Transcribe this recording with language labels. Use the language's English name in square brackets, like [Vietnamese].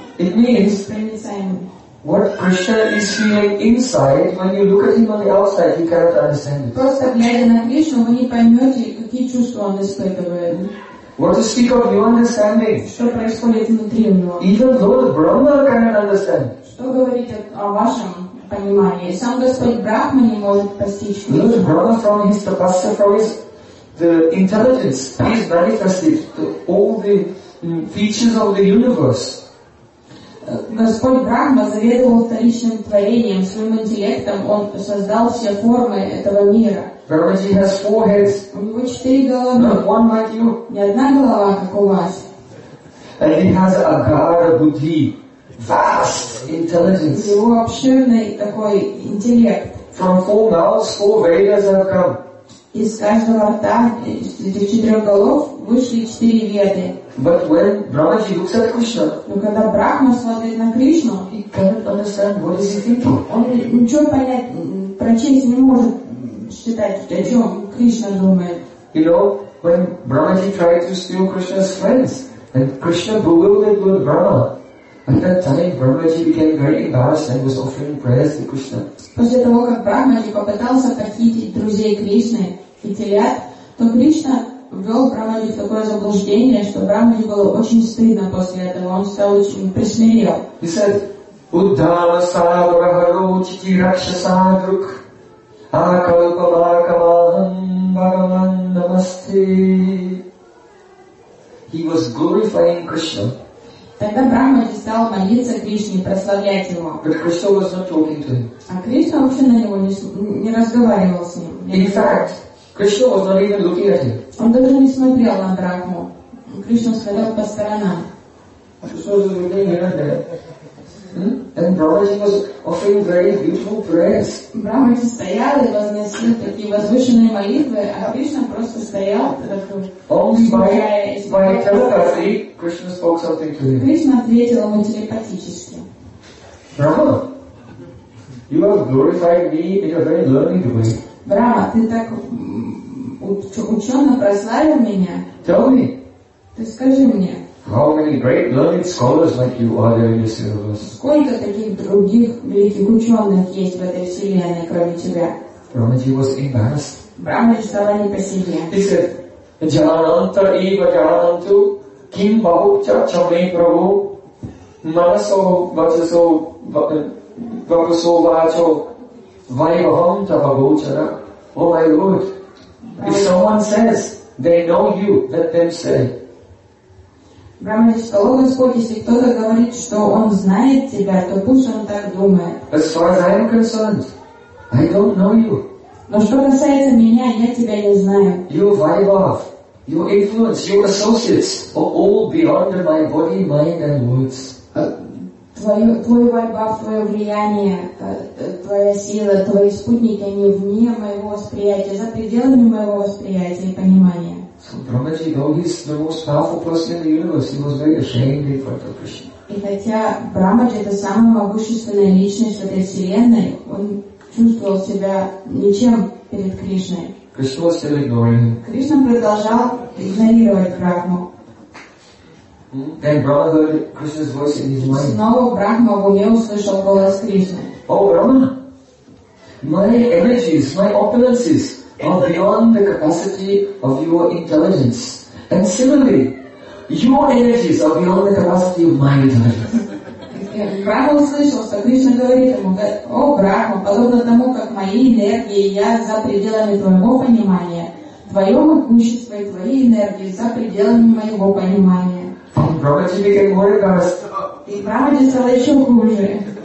[English] It means what Krishna is feeling inside, when you look at him on the outside, you cannot understand it. [Russian] Просто глядя на Кришну, вы не поймете, какие чувства он испытывает. [English] What to speak of your understanding? [Russian] Что происходит внутри у него? [English] Even though the Brahma cannot understand. [Russian] Что говорить о вашем понимании? Сам Господь Брахма не может постичь Кришну. [English] Look, Brahma from his tapasya, from his the intelligence, he is manifested to all the features of the universe. [Russian] Господь Брахма заведовал вторичным творением, своим интеллектом, он создал все формы этого мира. [English] Brahmaji has four heads. [Russian] У него четыре головы. [English] Not one like you. [Russian] Не одна голова, как у вас. [English] And he has a agarha buddhi, vast intelligence. [Russian] У него обширный такой интеллект. [English] From four mouths, four Vedas have come. [Russian] Из каждого рта, из этих четырех голов, вышли четыре веды. [English] But when Brahmaji looks at Krishna, [Russian] но когда Брахма смотрит на Кришну, [English] he cannot understand what is he thinking. [Russian] Он ничего понять, прочесть не может, считать, о чем Кришна думает. [English] You know, when Brahmaji tried to steal Krishna's friends, and Krishna bewildered with Brahma, at that time Brahmaji became very embarrassed and was offering prayers to Krishna. [Russian] После того, как Брахмаджи попытался похитить друзей Кришны, хитилят, то Кришна ввел Брахмаджи в такое заблуждение, что Брахмаджи было очень стыдно после этого, он стал очень присмирел. [English] He said, [Sanskrit] Uddhava Savraha Rochiti Rakshasadruk Akalpavakavaham Bhagavan Namaste. [English] He was glorifying Krishna. [Russian] Тогда Брахмаджи стал молиться Кришне, прославлять его. [English] But Krishna was not talking to him. [Russian] А Кришна вообще на него не разговаривал с ним. [English] In fact, Krishna was not even looking at him. [Russian] Он даже не смотрел на Брахму. Кришна смотрел по сторонам. [English] Krishna was looking at him. And Brahmaji was offering very beautiful prayers. [Russian] Брахмаджи стоял и возносил такие возвышенные молитвы, а Кришна просто стоял [English] Only by telepathy, Krishna spoke something to him. [Russian] Кришна ответил ему телепатически. [English] Brahma, you have glorified me in a very learned way. [Russian] Брахма, ты так ученно прославил меня. [English] Tell me. [Russian] Ты скажи мне. [English] How many great learned scholars like you are there in this universe? [Russian] Сколько таких других великих ученых есть в этой вселенной, кроме тебя? [English] Brahmaji was embarrassed. [Russian] Брахмаджи стала не по себе. [English] He said, [Sanskrit] Jananta eva jananto kim bahucha chame prabhu manaso vachaso vapaso vacho vaivaham tapabhuchara. [English] Oh my Lord, if someone says they know you, let them say. [Russian] Брахмаджи сказал, о Господь, если кто-то говорит, что он знает тебя, то пусть он так думает. [English] As far as I am concerned, I don't know you. [Russian] Но что касается меня, я тебя не знаю. [English] Your vaibhav, your influence, your associates are all beyond my body, mind and words. [Russian] Твой вайбав, твое влияние, твоя сила, твои спутники, они вне моего восприятия, за пределами моего восприятия и понимания. [English] So Brahmaji, though he's the most powerful person in the universe, he was very ashamed in front of Krishna. [Russian] И хотя Брахмаджи это самая могущественная личность в этой вселенной, он чувствовал себя ничем перед Кришной. [English] Krishna was still ignoring him. [Russian] Кришна продолжал игнорировать Брахму. [English] Then Brahma heard Krishna's voice in his mind. [Russian] Снова Брахма в уме услышал голос Кришны. [English] Oh, Brahma, My energies, my opulences are beyond the capacity of your intelligence. And similarly, your energies are beyond the capacity of my intelligence. [Russian] Брахма услышал, что Кришна говорит ему: «О, Брахма, подобно тому, как мои энергии, я за пределами твоего понимания, твое могущество и твои энергии за пределами моего понимания». [English] Брахмаджи became more embarrassed. [Russian] И Брахмаджи стало еще хуже.